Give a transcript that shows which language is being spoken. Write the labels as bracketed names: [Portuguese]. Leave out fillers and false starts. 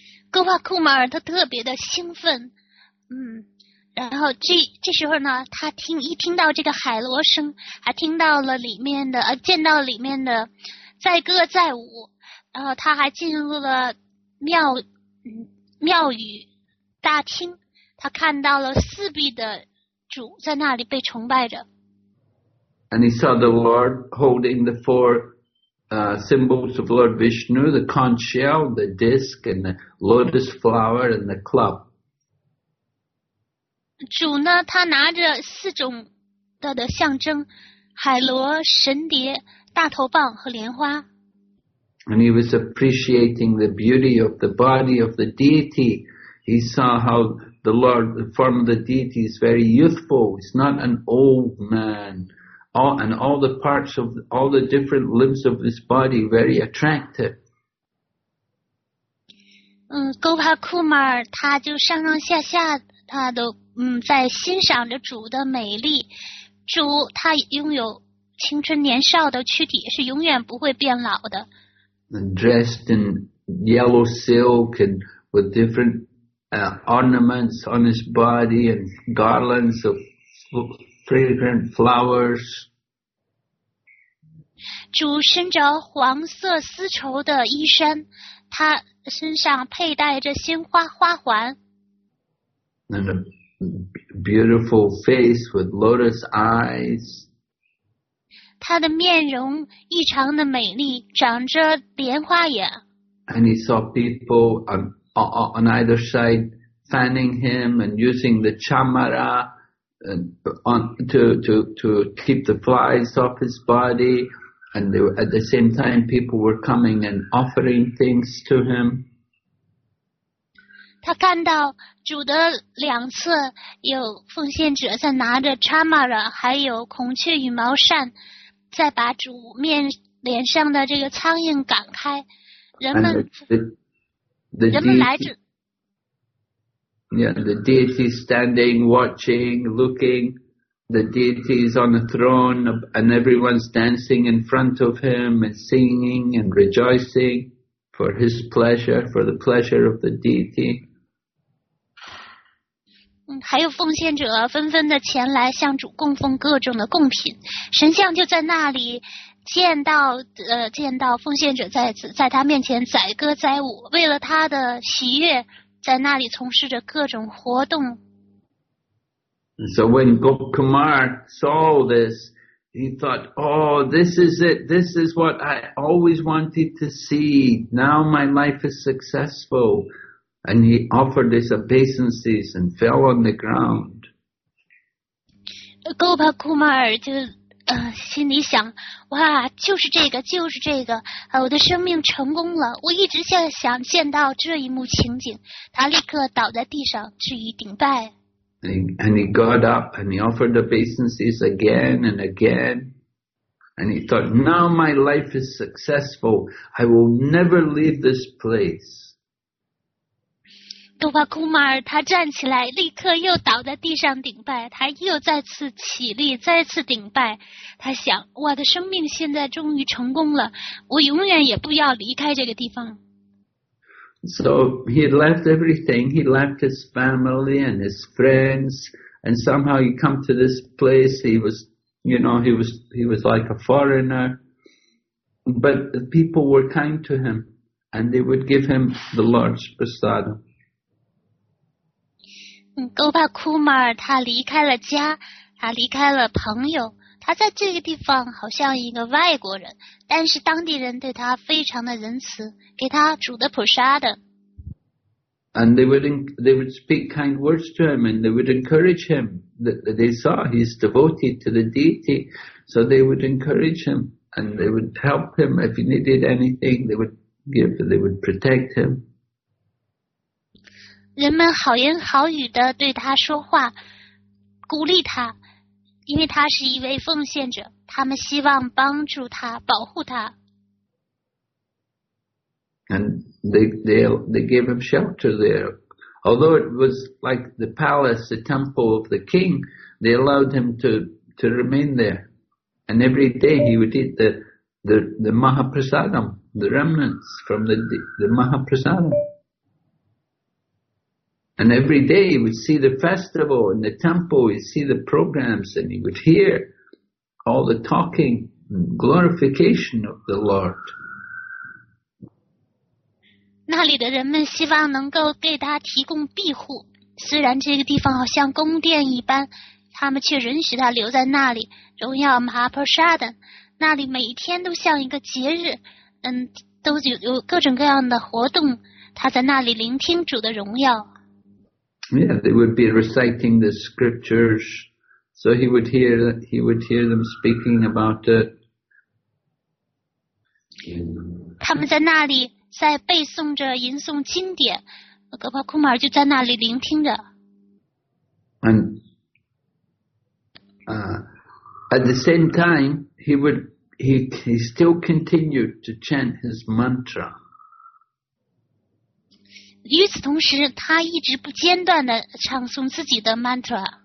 [Chinese] Gopal Kumar, 他特别的兴奋，然后这时候呢，他一听到这个海螺声，还听到了里面的，见到里面的载歌载舞，然后他还进入了庙宇大厅，他看到了四壁的。 [English] And he saw the Lord holding the four symbols of Lord Vishnu, the conch shell, the disc, and the lotus flower, and the club. [Chinese] 主呢，他拿着四种的象征，海螺、神蝶、大头棒和莲花。 [English] And he was appreciating the beauty of the body of the deity. He saw how. The Lord, the form of the deity is very youthful. He's not an old man. All the parts of all the different limbs of this body very attractive. [Chinese] Gopal Kumar, 他就上上下下，他都在欣赏着主的美丽。主他拥有青春年少的躯体，是永远不会变老的。 [English] And dressed in yellow silk and with different. Ornaments on his body and garlands of fragrant flowers. [Chinese] 主身着黄色丝绸的衣衫，他身上佩戴着鲜花花环。 [English] And a beautiful face with lotus eyes. [Chinese] 他的面容异常的美丽，长着莲花眼。 [English] And he saw people on either side. Fanning him and using the chamara to keep the flies off his body, and they were, at the same time people were coming and offering things to him. [Chinese] 他看到主的两侧有奉献者在拿着 chamara， 还有孔雀羽毛扇，在把主脸上的这个苍蝇赶开。人们来着。 [English] Yeah, the deity is standing, watching, looking. The deity is on the throne, and everyone's dancing in front of him and singing and rejoicing for his pleasure, for the pleasure of the deity. [Chinese] 还有奉献者纷纷的前来向主供奉各种的贡品，神像就在那里见到奉献者在他面前载歌载舞，为了他的喜悦。在那里从事着各种活动。 [English] And so when Gopkumar saw this, he thought, oh, this is it. This is what I always wanted to see. Now my life is successful. And he offered his obeisances and fell on the ground. [Chinese] Gopkumar 就心里想，哇，就是这个，我的生命成功了，我一直想见到这一幕情景。他立刻倒在地上，致以顶拜。 [English] And he got up and he offered obeisances again and again. And he thought, now my life is successful. I will never leave this place. [Chinese] 多巴库马尔他站起来，立刻又倒在地上顶拜。他又再次起立，再次顶拜。他想，我的生命现在终于成功了，我永远也不要离开这个地方。 [English] So he had left everything. He left his family and his friends. And somehow he come to this place. He was like a foreigner. But the people were kind to him. And they would give him the Lord's Prasada. [Chinese] Gopkumar, 他离开了家，他离开了朋友。他在这个地方好像一个外国人，但是当地人对他非常的仁慈，给他煮的普沙的。 [English] And they would speak kind words to him, and they would encourage him. That they saw he's devoted to the deity, so they would encourage him, and they would help him if he needed anything. They would give, they would protect him. [Chinese] 人们好言好语的对他说话，鼓励他。因为他是一位奉献者，他们希望帮助他，保护他。 [English] And they gave him shelter there. Although it was like the palace, the temple of the king, they allowed him to remain there. And every day he would eat the Mahaprasadam, the remnants from the Mahaprasadam. And every day he would see the festival in the temple, he'd see the programs, and he would hear all the talking and glorification of the Lord. [Chinese] 那里的人们希望能够给他提供庇护，虽然这个地方好像宫殿一般，他们却允许他留在那里，荣耀马普沙的，那里每一天都像一个节日，都有各种各样的活动，他在那里聆听主的荣耀。 [English] Yeah, they would be reciting the scriptures, so he would hear them speaking about it. [Chinese] 他们在那里在背诵着吟诵经典，格帕库马尔就在那里聆听着。 [English] And at the same time, he still continued to chant his mantra. [Chinese] 与此同时，他一直不间断地唱诵自己的 mantra.